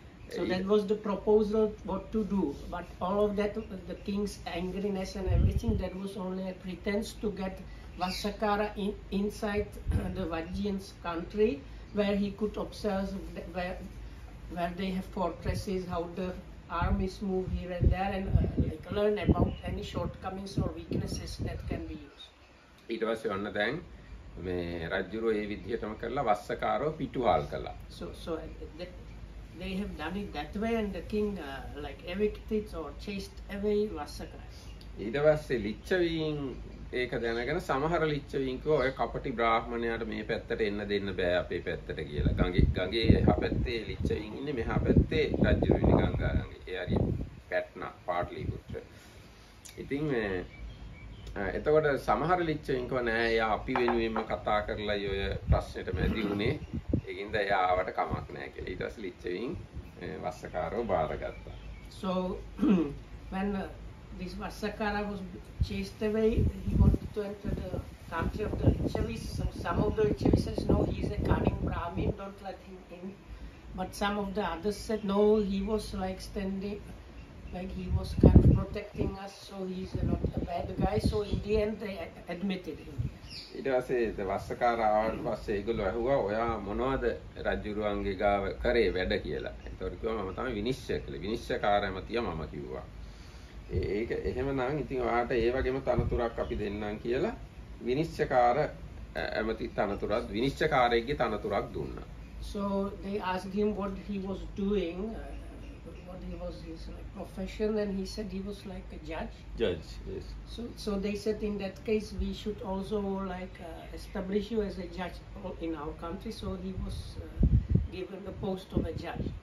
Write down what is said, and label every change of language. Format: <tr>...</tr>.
<en>So that was the proposal what to do, but all of that, the king's angriness and everything, that was only a pretense to get Vasakara inside the Vajjian's country, where he could observe where they have fortresses, how the armies move here and there, and like learn about any shortcomings or weaknesses that can be used. It was one thing.</en> <si>මේ රජුරෝ ඒ විදිහටම කරලා වස්සකාරව පිටුවාල් කළා.</si> <en>So they have done it that way and the king like evicted or chased away වස්සකාරය.</en> <si>ඊට පස්සේ ලිච්ඡවීන් ඒක දැනගෙන සමහර ලිච්ඡවීන් කිව්වා ඔය කපටි බ්‍රාහ්මණයාට මේ පැත්තට එන්න දෙන්න බෑ අපේ පැත්තට කියලා. ගඟේ එහා පැත්තේ ලිච්ඡවීන් ඉන්නේ මෙහා පැත්තේ රජුරෝ ඉන්නේ ගංගා ළඟේ. ඒ හරි පැට්නා පාටලි පුත්‍ර. ඉතින් මේ එතකොට සමහර ලිච්ඡවීන් කව නෑ එයා අපි වෙනුවෙන්ම කතා කරලා අය ඔය ප්‍රශ්නෙට මැදි වුණේ ඒකින් ද එයා ආවට කමක් නෑ කියලා ඊට පස්සේ ලිච්ඡවීන් වස්සකාරව බාරගත්තා.</si> <en>So when this Vasakara was chased away, he wanted to enter the country of the Lichavis. Some of the Lichavis says, no, he is a cunning Brahmin, don't let him in. But some of the others said, no, he was like standing, like he was kind of protecting us, so he's not a bad guy. So in the end, they admitted him.</en> <si>ඊට පස්සේ වස්සකාරා ආවට පස්සේ ඒගොල්ලෝ ඇහුවා ඔයා මොනවද රජුරුවන්ගේ ගාව කරේ වැඩ කියලා. ඒතකොට කිව්වා මම තමයි විනිශ්චය කළේ. විනිශ්චයකාරයම තියා මම කිව්වා. ඒක එහෙමනම් ඉතින් ඔයාට ඒ වගේම තනතුරක් අපි දෙන්නම් කියලා විනිශ්චයකාර ඇමති තනතුරක් විනිශ්චයකාරයෙක්ගේ තනතුරක් දුන්නා.</si> <en>So they asked him what he was doing. He was his like, profession, and he said he was like a judge. Judge, yes. So they said in that case we should also like establish you as a judge in our country. So he was given the post of a judge.</en>